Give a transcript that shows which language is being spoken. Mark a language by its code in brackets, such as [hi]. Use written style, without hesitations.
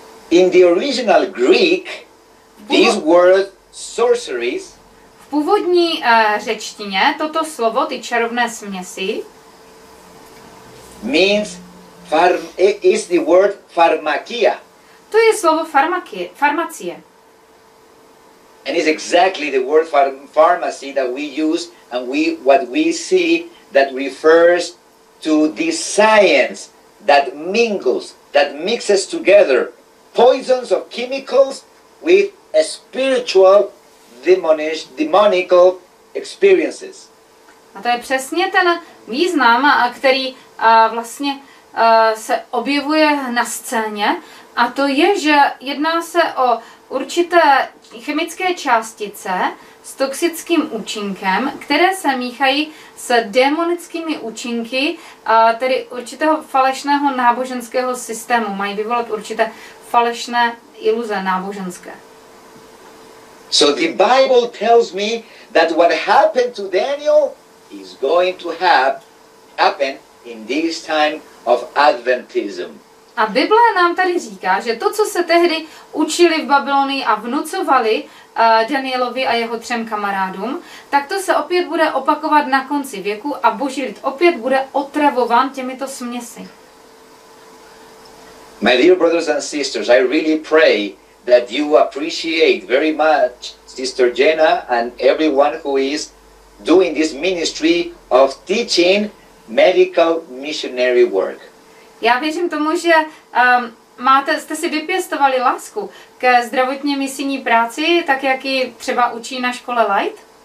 [en] In the original Greek, these words sorceries. [cs] V původní řečtině toto slovo, ty čarovné směsi, [en] means is the word pharmakia. [cs] To je slovo farmacie. [en] And is exactly the word pharmacy that we use and what we see that refers to this science that mingles, that mixes together poisons of chemicals with a spiritual demonical experiences. [cs] A to je přesně ten význam, který vlastně se objevuje na scéně, a to je, že jedná se o určité chemické částice s toxickým účinkem, které se míchají s démonickými účinky, tedy určitého falešného náboženského systému. Mají vyvolat určité falešné iluze náboženské. [en] So the Bible tells me that what happened to Daniel is going to happen in this time of Adventism. [cs] A Bible nám tady říká, že to, co se tehdy učili v Babylonii a vnucovali Danielovi a jeho třem kamarádům, tak to se opět bude opakovat na konci věku a boží lid opět bude otravován těmito směsi. [en] My dear brothers and sisters, I really pray that you appreciate very much Sister Jenna and everyone who is doing this ministry of teaching medical missionary work. [cs] Já věřím tomu, že jste si vypěstovali lásku ke zdravotně misijní práci, tak jak ji třeba učí na škole Light.